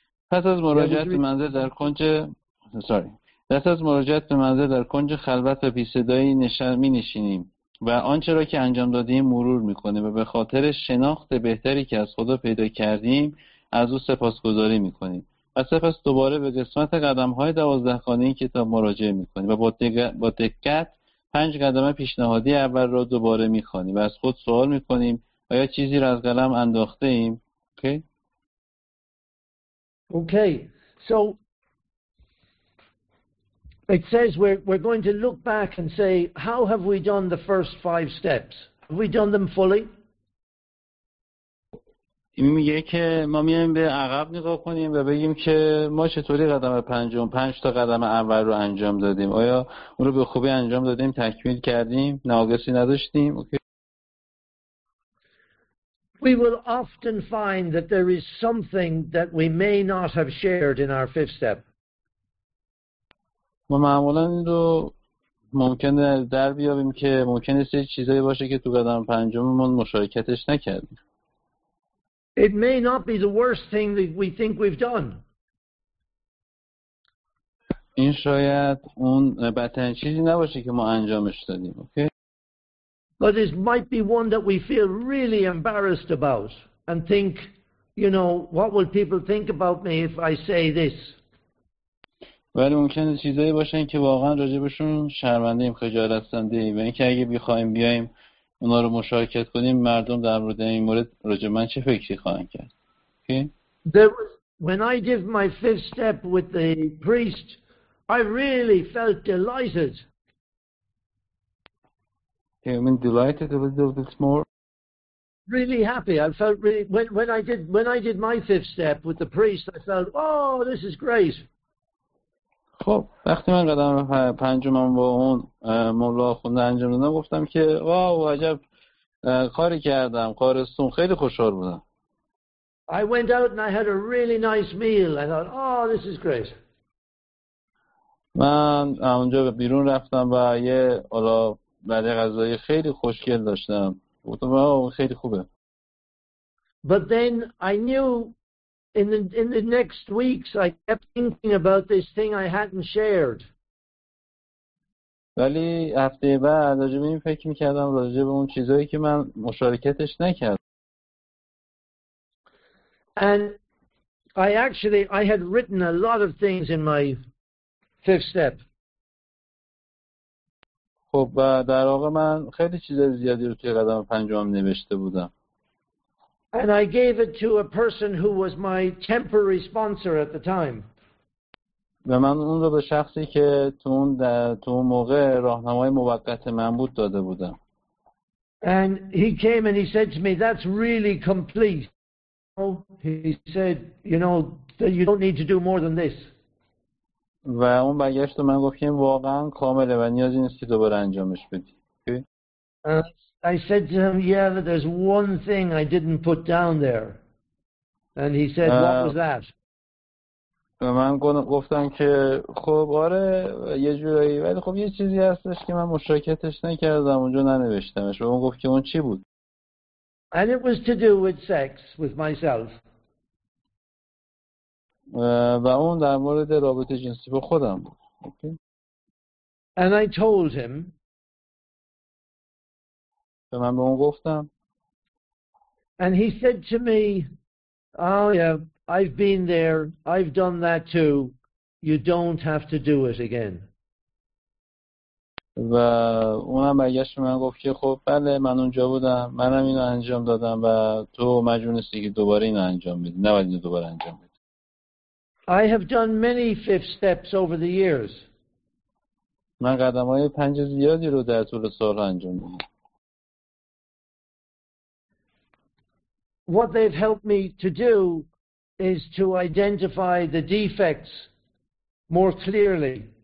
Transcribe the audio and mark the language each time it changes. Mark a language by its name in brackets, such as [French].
[Persian] پس از مراجعت به منزل در کنج خلوت و بی‌صدایی نشست می‌نشینیم و آنچه را که انجام دادیم مرور می‌کنیم و به خاطر شناخت بهتری که از خدا پیدا کردیم از او سپاسگزاری می‌کنیم و سپس دوباره به قسمت قدم‌های 12 گانه این کتاب مراجعه می‌کنیم و با دقت 5 قدم پیشنهادی اول را دوباره می‌خوانیم و از خود سوال می‌کنیم آیا چیزی را از قلم انداخته‌ایم. [English] Okay, so it says we're going to look back and say, how have we done the first 5 steps? Have we done them fully? [Persian] این میگه که ما میایم به عقب نگاه کنیم و بگیم که ما چطوری قدم پنجم 5 تا قدم اول رو انجام دادیم، آیا اون رو به خوبی انجام دادیم، تکمیل کردیم، ناقصی نداشتیم. [English] Okay. We will often find that there is something that we may not have shared in our fifth step. [Persian] ما معمولاً این رو ممکنه در بیاریم که ممکنه سه چیزی باشه که تو قدم پنجممون مشارکتش نکردیم. [English] It may not be the worst thing that we think we've done. [Persian] این شاید اون بدترین چیزی نباشه که ما انجامش دادیم. [English] Okay. But this might be one that we feel really embarrassed about and think, you know, what will people think about me if I say this? [Persian] ولی ممکنه چیزایی باشن که واقعا راجبشون شرمنده ایم، خجالت زنده ایم، یعنی که اگه بخوایم بیایم اونا رو مشارکت کنیم مردم در مورد این مورد راجب من چه فکری خواهند کرد. [English] When I give my fifth step with the priest, I really felt delighted. Okay, I'm delighted a little bit more. Really happy. I felt really when I did my fifth step with the priest, I felt, oh, this is great. [Persian] خب وقتی من قدم پنجمم با اون مولا خونده انجام دادم گفتم که واو عجب کاری کردم، کارستون، خیلی خوشحال بودم. [English] I went out and I had a really nice meal. I thought, oh, this is great. [Persian] من اونجا بیرون رفتم و یه حالا بعد غذای خیلی خوشگل داشتم. گفتم واو خیلی خوبه. [English] But then I knew in the next weeks I kept thinking about this thing I hadn't shared. [Persian] ولی هفته بعد راجع به این فکر می‌کردم، راجع به اون چیزایی که من مشارکتش نکردم. [English] And I had written a lot of things in my fifth step. [Persian] خب در واقع من خیلی چیز زیادی رو توی قدم پنجم نوشته بودم. [English] And I gave it to a person who was my temporary sponsor at the time. [Persian] و من اون رو به شخصی که تو اون موقع راهنمای موقت من بود داده بودم. [English] And he came and he said to me, that's really complete. He said, you know, that you don't need to do more than this. [Persian] و اون برگشت و من گفتیم واقعا کامله و نیازی نیستی دوباره انجامش بدی. [English] I said to him, yeah, but there's one thing I didn't put down there. And he said, what was that? [Persian] و من گفتم که خب آره یه جورایی، ولی خب یه چیزی هستش که من مشارکتش نکردم، اونجا ننوشتمش. و اون گفت که اون چی بود؟ [English] And it was to do with sex with myself. [Persian] و اون در مورد رابطه جنسی با خودم بود. [English] Okay. And I told him. [Persian] و من به اون گفتم. [English] And he said to me, oh yeah, I've been there, I've done that too. You don't have to do it again. [Persian] و اونم برگشت من گفت که خب بله من اونجا بودم، منم اینو انجام دادم و تو مجبور نیستی که دوباره اینو انجام بدی، نباید اینو دوباره انجام بدی. [English] I have done many fifth steps over the years. [Persian] من قدم‌های پنج زیادی رو در طول سال انجام دادم. [English] What they've helped me to do is to identify the defects more clearly.